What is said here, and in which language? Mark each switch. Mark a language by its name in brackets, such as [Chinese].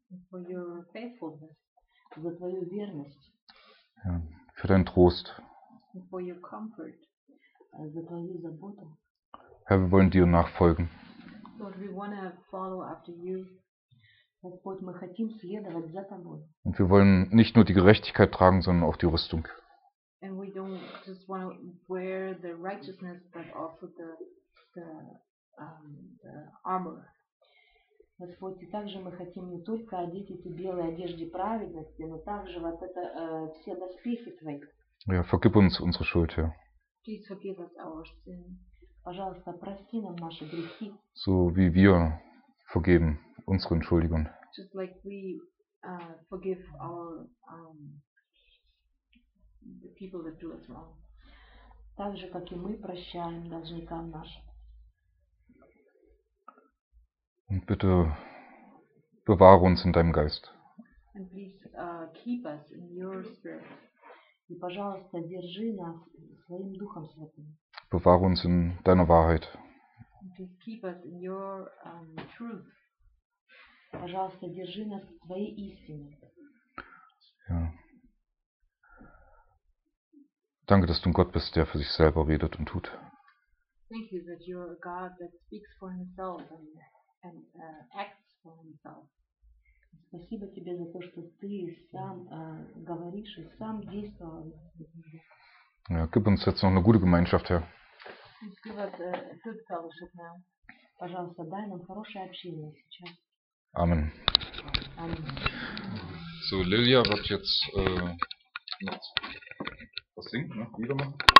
[English] For your faithfulness. [Russian] За твою верность. [German] Ja. Für deinen Trost. [English] And for your comfort. [Russian] За твою заботу. [German] Herr, wir wollen dir nachfolgen. [English] Lord, we want to follow after you. [Russian] Господь, мы хотим следовать за тобой. [German] Und wir wollen nicht nur die Gerechtigkeit tragen, sondern auch die Rüstung. [English] And we don't just want to wear the righteousness, but also the armor. [Russian] Господь, и также мы хотим не только одеть эти белые одежды праведности, но также вот это все доспехи твои. [German] Ja, vergib uns unsere Schuld, Herr. [English] Please forgive us our sin. [Russian] Пожалуйста, прости нам наши грехи. [German] So wie wir vergeben. Unsere Entschuldigung. [English] Just like we forgive our the people that do us wrong. [Russian] Так же, как и мы прощаем должникам нашим. [German] Und bitte bewahre uns in deinem Geist. [English] And please keep us in your spirit. [Russian] И, пожалуйста, держи нас своим Духом Святым. [German] Bewahre uns in deiner Wahrheit. [English] And please keep us in your truth. [Russian] Пожалуйста, держи нас в твоей истине. [German] Ja. Danke, dass du ein Gott bist, der für sich selber redet und tut. [English] Thank you that you're a God that speaks for himself and acts for himself. [Russian] Спасибо тебе за то, что ты сам говоришь и сам действуешь. [German] Ja, gib uns jetzt noch eine gute Gemeinschaft, Herr. [English] Give us a good fellowship now. [Russian] Пожалуйста, дай нам хорошее общение сейчас. [German] Amen. So, Lilia wird jetzt noch was singen, ne? Lieder machen.